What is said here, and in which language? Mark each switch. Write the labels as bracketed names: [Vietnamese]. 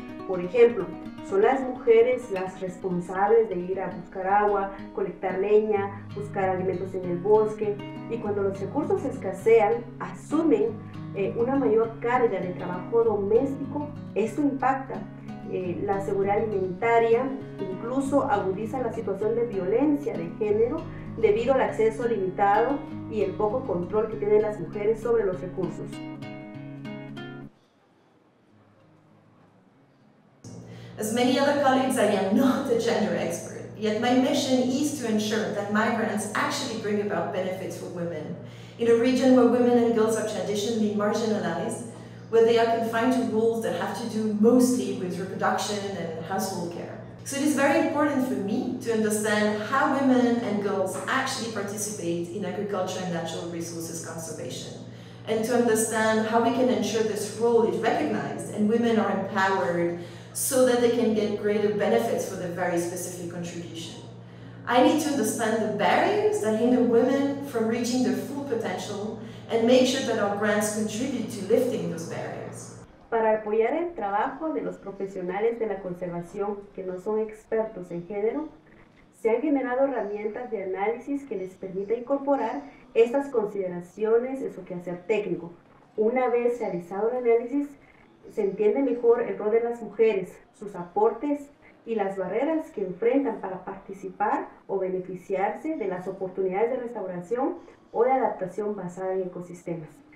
[Spanish] Por ejemplo, son las mujeres las responsables de ir a buscar agua, colectar leña, buscar alimentos en el bosque, y cuando los recursos escasean, asumen una mayor carga de trabajo doméstico. Esto impacta la seguridad alimentaria, incluso agudiza la situación de violencia de género debido al acceso limitado y el poco control que tienen las mujeres sobre los recursos. [English] As many other colleagues, I am not a gender expert, yet my mission is to ensure that migrants actually bring about benefits for women. In a region where women and girls are traditionally marginalized, where they are confined to roles that have to do mostly with reproduction and household care. So it is very important for me to understand how women and girls actually participate in agriculture and natural resources conservation, and to understand how we can ensure this role is recognized and women are empowered so that they can get greater benefits for their very specific contribution. I need to understand the barriers that hinder women from reaching their full potential and make sure that our grants contribute to lifting those barriers. [Spanish] Para apoyar el trabajo de los profesionales de la conservación que no son expertos en género, se han generado herramientas de análisis que les permita incorporar estas consideraciones en su quehacer técnico. Una vez realizado el análisis, se entiende mejor el rol de las mujeres, sus aportes y las barreras que enfrentan para participar o beneficiarse de las oportunidades de restauración o de adaptación basada en ecosistemas.